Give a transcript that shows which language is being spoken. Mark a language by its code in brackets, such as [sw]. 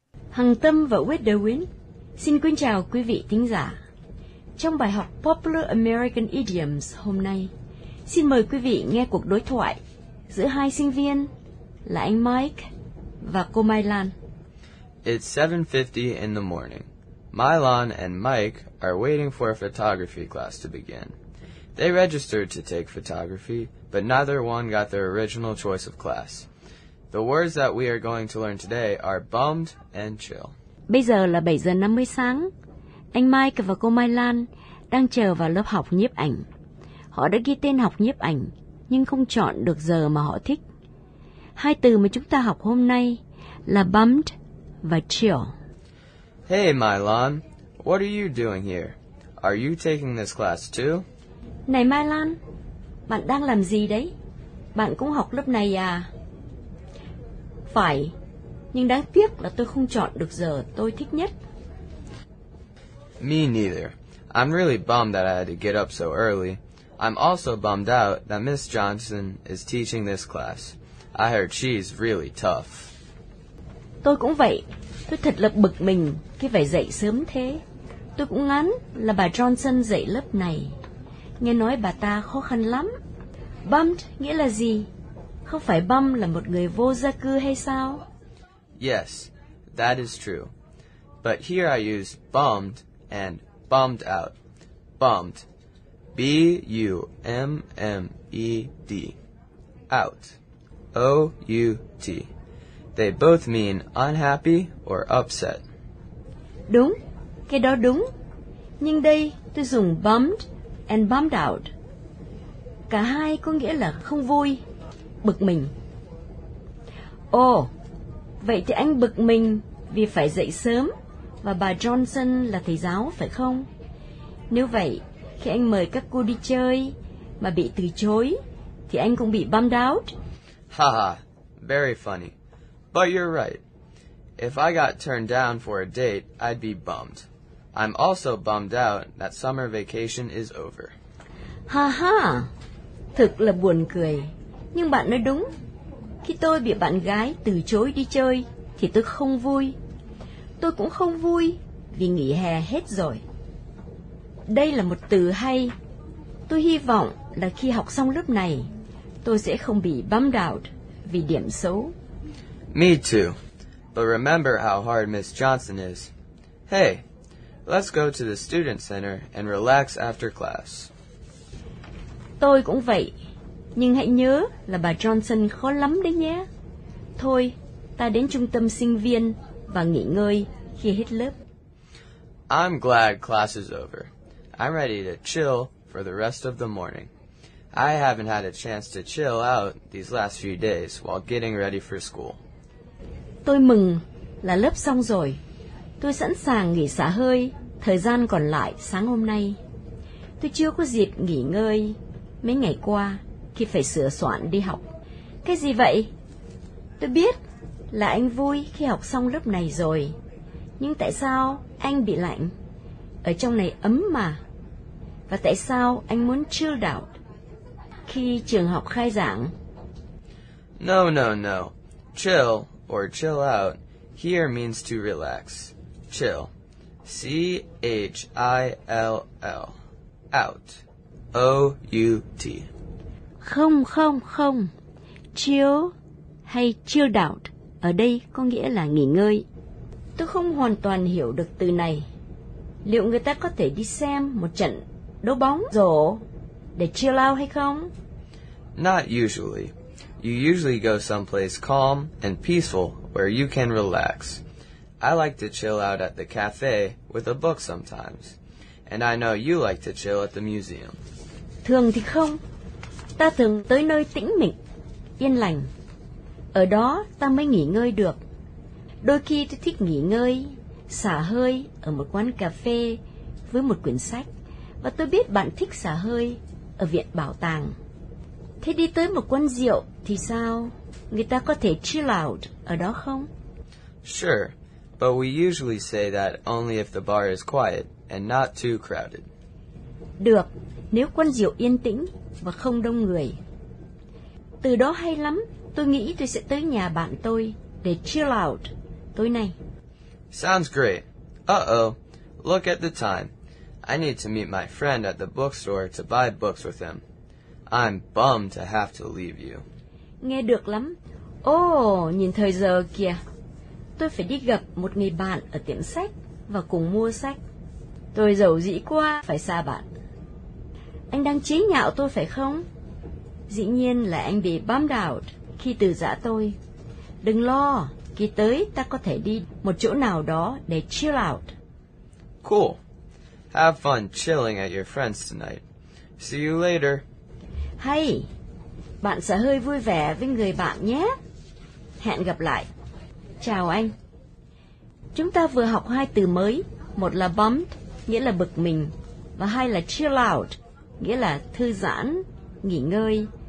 [vi] Hằng Tâm và Wedderwin xin kính chào quý vị thính giả. Trong bài học Popular American Idioms hôm nay, xin mời quý vị nghe cuộc đối thoại giữa hai sinh viên là anh Mike và cô Mai Lan. [en] It's 7:50 in the morning. Mai Lan and Mike are waiting for a photography class to begin. They registered to take photography, but neither one got their original choice of class. The words that we are going to learn today are bummed and chill. [vi] Bây giờ là 7:50 sáng. Anh Mike và cô Mai Lan đang chờ vào lớp học nhiếp ảnh. Họ đã ghi tên học nhiếp ảnh, nhưng không chọn được giờ mà họ thích. Hai từ mà chúng ta học hôm nay là bummed và chill. [en] Hey, Mai Lan, what are you doing here? Are you taking this class too? [vi] Này Mai Lan, bạn đang làm gì đấy? Bạn cũng học lớp này à? Phải, nhưng đáng tiếc là tôi không chọn được giờ tôi thích nhất. [en] Me neither. I'm really bummed that I had to get up so early. I'm also bummed out that Miss Johnson is teaching this class. I heard she's really tough. [vi] Tôi cũng vậy. Tôi thật là bực mình khi phải dậy sớm thế. Tôi cũng ngán là bà Johnson dạy lớp này. Nghe nói bà ta khó khăn lắm. Bummed nghĩa là gì? Không phải bum là một người vô gia cư hay sao? [en] Yes, that is true. But here I use bummed and bummed out. Bummed. B-U-M-M-E-D. Out. O-U-T. They both mean unhappy or upset. [vi] Đúng, cái đó đúng. Nhưng đây tôi dùng [en] bummed and bummed out. [vi] Cả hai có nghĩa là không vui, bực mình. Ồ, vậy thì anh bực mình vì phải dậy sớm và bà Johnson là thầy giáo, phải không? Nếu vậy, khi anh mời các cô đi chơi mà bị từ chối, thì anh cũng bị bummed out. [en] Ha ha, very funny. But you're right. If I got turned down for a date, I'd be bummed. I'm also bummed out that summer vacation is over. [vi] Ha ha, thực là buồn cười. Nhưng bạn nói đúng. Khi tôi bị bạn gái từ chối đi chơi, thì tôi không vui. Tôi cũng không vui vì nghỉ hè hết rồi. Đây là một từ hay. Tôi hy vọng là khi học xong lớp này, tôi sẽ không bị bummed out vì điểm xấu. [en] Me too. But remember how hard Miss Johnson is. Hey, let's go to the student center and relax after class. [vi] Tôi cũng vậy. Nhưng hãy nhớ là bà Johnson khó lắm đấy nhé. Thôi, ta đến trung tâm sinh viên và nghỉ ngơi khi hết lớp. [en] I'm glad class is over. I'm ready to chill for the rest of the morning. I haven't had a chance to chill out these last few days while getting ready for school. [vi] Tôi mừng là lớp xong rồi. Tôi sẵn sàng nghỉ xả hơi thời gian còn lại sáng hôm nay. Tôi chưa có dịp nghỉ ngơi mấy ngày qua khi phải sửa soạn đi học. Cái gì vậy? Tôi biết là anh vui khi học xong lớp này rồi. Nhưng tại sao anh bị lạnh? Ở trong này ấm mà. Và tại sao anh muốn chill out khi trường học khai giảng? [en] No, no, no. Chill or chill out here means to relax. Chill. C-H-I-L-L. Out. O-U-T. [vi] Không, không, không. Chill hay chill out ở đây có nghĩa là nghỉ ngơi. Tôi không hoàn toàn hiểu được từ này. Liệu người ta có thể đi xem một trận đấu bóng rổ để chill out hay không? [en] Not usually. You usually go someplace calm and peaceful where you can relax. I like to chill out at the cafe with a book sometimes. And I know you like to chill at the museum. [vi] Thường thì không. Ta thường tới nơi tĩnh mịch, yên lành. Ở đó ta mới nghỉ ngơi được. Đôi khi tôi thích nghỉ ngơi, xả hơi ở một quán cà phê với một quyển sách. Và tôi biết bạn thích xả hơi ở viện bảo tàng. Thế đi tới một quán rượu thì sao? Người ta có thể chill out ở đó không? [en] Sure, but we usually say that only if the bar is quiet and not too crowded. [vi] Được, nếu quán rượu yên tĩnh và không đông người. Từ đó hay lắm, tôi nghĩ tôi sẽ tới nhà bạn tôi để chill out tối nay. [en] Sounds great. Uh-oh, look at the time. I need to meet my friend at the bookstore to buy books with him. I'm bummed to have to leave you. [vi] Nghe được lắm. Nhìn thời giờ kìa. Tôi phải đi gặp một người bạn ở tiệm sách và cùng mua sách. Tôi giàu dĩ quá phải xa bạn. Anh đang chế nhạo tôi phải không? Dĩ nhiên là anh bị bummed out khi từ giã tôi. Đừng lo, khi tới ta có thể đi một chỗ nào đó để chill out. [en] Cool. Have fun chilling at your friends tonight. See you later. [vi] Hey, bạn sẽ hơi vui vẻ với người bạn nhé. Hẹn gặp lại. Chào anh. Chúng ta vừa học hai từ mới. Một là bummed, nghĩa là bực mình. Và hai là chill out, nghĩa là thư giãn, nghỉ ngơi.